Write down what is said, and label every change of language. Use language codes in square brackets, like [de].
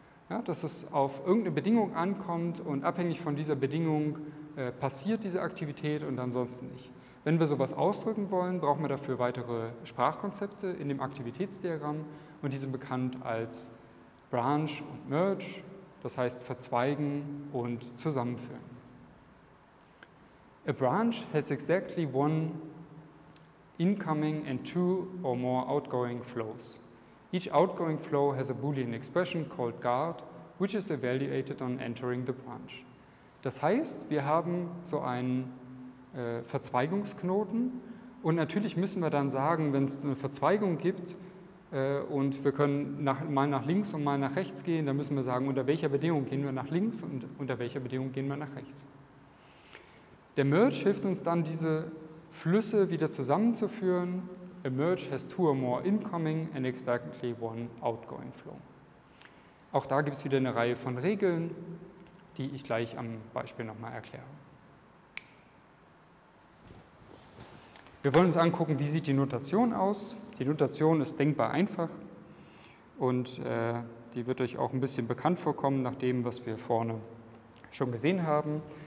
[de] Ja, dass es auf irgendeine Bedingung ankommt und abhängig von dieser Bedingung passiert diese Aktivität und ansonsten nicht. Wenn wir sowas ausdrücken wollen, brauchen wir dafür weitere Sprachkonzepte in dem Aktivitätsdiagramm und die sind bekannt als Branch und Merge, das heißt verzweigen und zusammenführen. [en] A branch has exactly one incoming and two or more outgoing flows. Each outgoing flow has a Boolean expression called guard, which is evaluated on entering the branch. [de] Das heißt, wir haben so einen Verzweigungsknoten. Und natürlich müssen wir dann sagen, wenn es eine Verzweigung gibt und wir können mal nach links und mal nach rechts gehen, dann müssen wir sagen, unter welcher Bedingung gehen wir nach links und unter welcher Bedingung gehen wir nach rechts. Der Merge hilft uns dann, diese Flüsse wieder zusammenzuführen. [en] A merge has two or more incoming and exactly one outgoing flow. [de] Auch da gibt es wieder eine Reihe von Regeln, die ich gleich am Beispiel nochmal erkläre. Wir wollen uns angucken, wie sieht die Notation aus. Die Notation ist denkbar einfach und die wird euch auch ein bisschen bekannt vorkommen, nach dem, was wir vorne schon gesehen haben.